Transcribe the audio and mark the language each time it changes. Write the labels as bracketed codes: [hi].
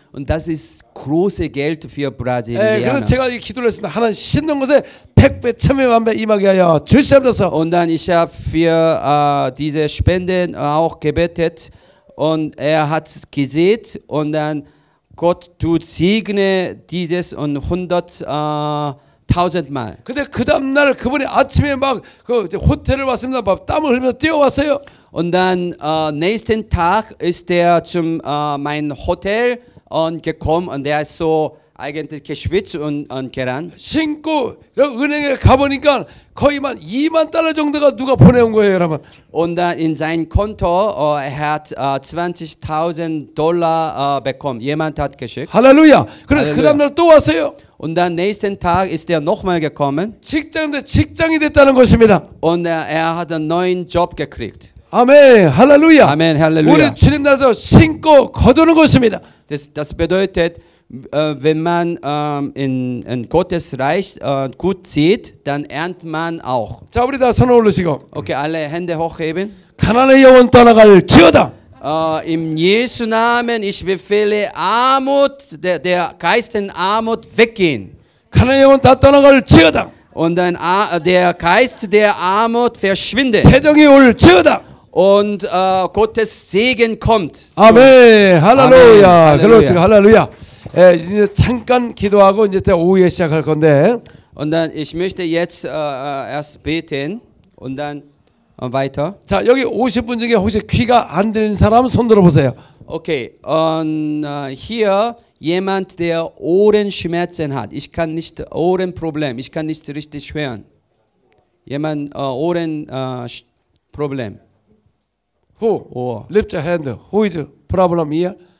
[de] Und das ist großes Geld für Brasilien. [ko] 예, 그래서 제가 기도를 했습니다. 하나님 심는 것에 100배, 1000배, 1만배 임하게 하여 주시옵소서. [de] Und dann ich habe für diese Spenden auch gebetet und er hat gesehen und dann Gott du segne dieses und 100 1000mal. [ko] 근데 그 다음 날 그분이 아침에 막 그 호텔을 왔습니다. 막 땀을 흘리면서 뛰어왔어요. [de] Und dann nächsten Tag ist er zum mein Hotel und gekommen und er ist so eigentlich geschwitzt und gerannt. [ko] 신고 은행에 가보니까 거의 만 2만 달러 정도가 누가 보내온 거예요, 여러분. [de] Und dann in sein Konto er hat $20,000 bekommen. Jemand hat geschickt. Halleluja. [ko] 그래서 그 다음날 또 왔어요. [de] Und dann nächsten Tag ist er nochmal gekommen. [ko] 직장도 직장이 됐다는 것입니다. [de] Und er hat einen neuen Job gekriegt. [ko] 아멘, 할렐루야. 아멘, 할렐루야. 우리 주님 나라에서 신고 거두는 것입니다. [de] Das bedeutet, wenn man in Gottes Reich gut sieht, dann ernt man auch. [ko] 자, 우리 다 손을 올리시고. [de] Okay, alle Hände hochheben. [ko] 가난의 영혼 떠나갈 지어다. [de] Im Jesu Namen ich befehle Armut der Geisten Armut weggehen. [ko] 가난의 영혼 다 떠나갈 지어다. [de] Und ein der Geist der Armut verschwindet. [ko] 재정이 올 지어다. [de] Und Gottes Segen kommt. Amen. Halleluja. Halleluja. Halleluja. [ko] 예, 이제 잠깐 기도하고 이제 오후에 시작할 건데. [de] Und dann ich möchte jetzt erst beten und dann weiter. [ko] 자, 여기 50분 중에 혹시 귀가 안 들린 사람 손 들어 보세요. Okay. [de] Hier jemand der Ohren Schmerzen hat. Ich kann nicht Ohren Problem. Ich kann nicht richtig hören. Jemand Ohren Problem. [en] Who? Oh. Lift your hand. Who is problem here?